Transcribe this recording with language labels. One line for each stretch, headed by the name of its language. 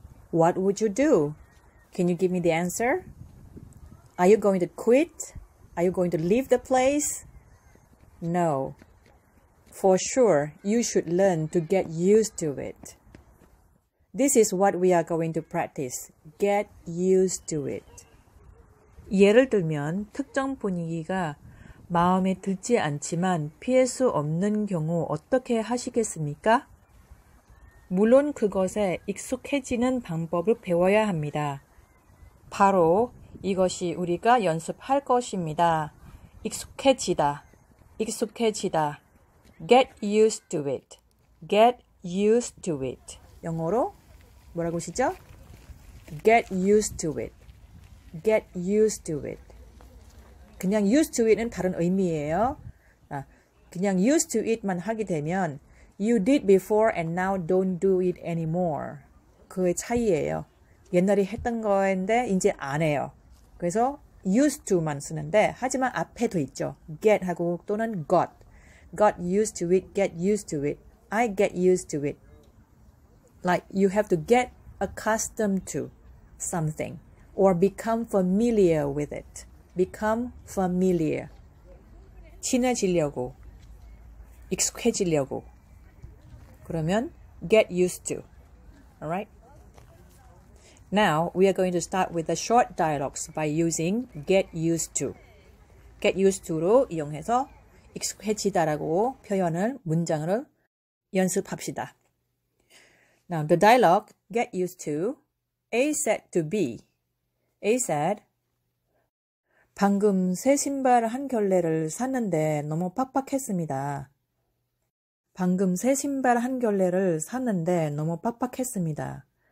English: What would you do? Can you give me the answer? Are you going to quit? Are you going to leave the place? No. For sure, you should learn to get used to it. This is what we are going to practice. Get used to it.
Korean: 예를 들면 특정 분위기가 마음에 들지 않지만 피할 수 없는 경우 어떻게 하시겠습니까? 물론 그것에 익숙해지는 방법을 배워야 합니다. 바로 이것이 우리가 연습할 것입니다. 익숙해지다. 익숙해지다.
English: Get used to it. Get used to it.
Korean: 영어로 뭐라고 하시죠?
English: Get used to it. Get used to it. 그냥 used to it은
Korean: 다른 의미예요.
English: 그냥 used to it만
Korean: 하게 되면
English: You did before and now don't do it anymore.
Korean: 그의 차이예요. 옛날에 했던 거인데 이제 안 해요. 그래서 used to만 쓰는데 하지만 앞에도 있죠.
English: get
Korean: 하고 또는
English: got. got used to it, get used to it. I get used to it. Like you have to get accustomed to something or become familiar with it. become familiar.
Korean: 친해지려고, 익숙해지려고. 그러면
English: get used to. All right? Now, we are going to start with the short dialogues by using get used to.
Korean: get used to로 이용해서 익숙해지다라고 표현을 문장을 연습합시다.
English: Now, the dialogue get used to A said to B. A said
Korean: 방금 새 신발 한 결례를 샀는데 너무 빡빡했습니다. 방금 새 신발 한 결례를 샀는데 너무 빡빡했습니다.